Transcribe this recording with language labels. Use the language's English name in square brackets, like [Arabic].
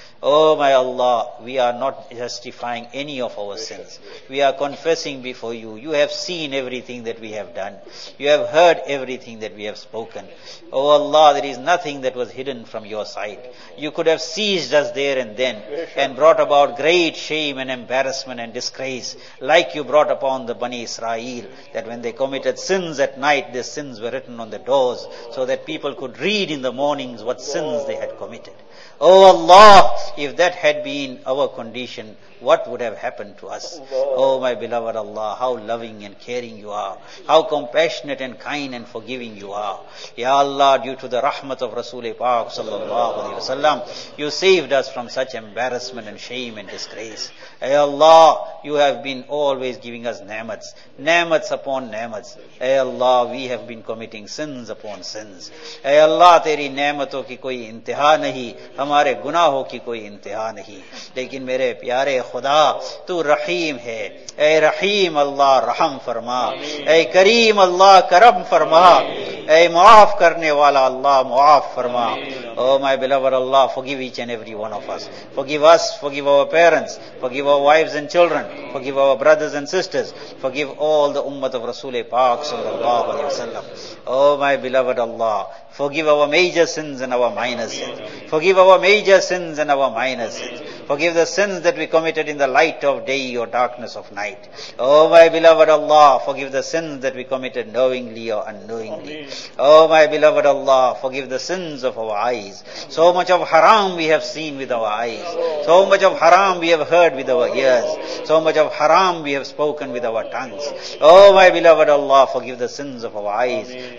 [English] Oh my Allah we are not justifying any of our sins, we are confessing before you, you have seen everything that we have done, you have heard everything that we have spoken, oh Allah there is nothing that was hidden from your side, you could have seized us there and then and brought about great shame and embarrassment and disgrace like you brought upon the Bani Israel that when they committed sins at night the sins were written on the doors so that people could read in the mornings what sins they had committed. Oh Allah, if that had been our condition, what would have happened to us? Oh my beloved Allah, how loving and caring you are. How compassionate and kind and forgiving you are. Ya Allah, due to the rahmat of Rasul-e-Pak sallallahu alayhi wa sallam, you saved us from such embarrassment and shame and disgrace. Ay Allah, you have been always giving us ni'mats, ni'mats upon ni'mats. Ay Allah, we have been committing sins upon sins. [Urdu] Ay Allah, teri ni'mato ki koi intiha nahi, ہمارے گناہوں کی کوئی انتہا نہیں، لیکن میرے پیارے خدا تو رحیم ہے، اے رحیم اللہ رحم فرما، اے کریم اللہ کرم فرما، اے معاف کرنے والا اللہ معاف فرما. [English] Oh my beloved Allah forgive each and every one of us, forgive us, forgive our parents, forgive our wives and children, forgive our brothers and sisters, forgive all the امت آف رسول پاک صلی اللہ علیہ وسلم. Oh my beloved Allah forgive our major sins and our minor sins, forgive our major sins and our minor sins, forgive the sins that we committed in the light of day or darkness of night. Oh my beloved Allah, forgive the sins that we committed knowingly or unknowingly. Ameen. Oh my beloved Allah, forgive the sins of our eyes. So much of haram we have seen with our eyes. So much of haram we have heard with our ears. So much of haram we have spoken with our tongues. Oh my beloved Allah, forgive the sins of our eyes. Ameen.